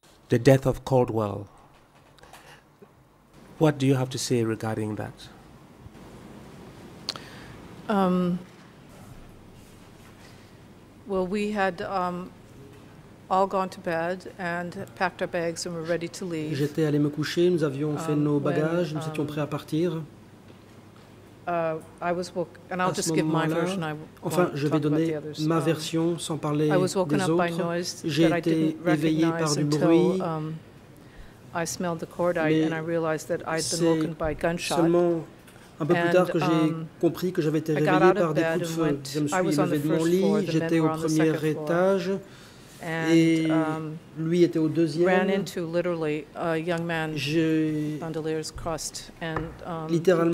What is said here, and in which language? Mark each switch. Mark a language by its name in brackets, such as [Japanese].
[English] the death of Caldwell. What do you have to say regarding that? Well, we had all gone to bed and packed our bags and were ready to leave. [French] J'étais allé me coucher, nous avions fait nos bagages, nous étions prêts à partir. [English] I was woke, and I'll just give my version. [French] Enfin, je vais donner ma version sans parler des autres. [English] I was woken [French] J'ai été éveillé par du bruit. [English] I smelled the cordite and I realized that I'd been woken by gunshot. [French] Seulement un peu plus tard que j'ai compris que j'avais été réveillé par des coups de feu. Je me suis levé de mon lit, j'étais au premier étage. Et lui était au deuxième. [English] Ran into literally a young man. Bandoliers crossed and [French] littéralement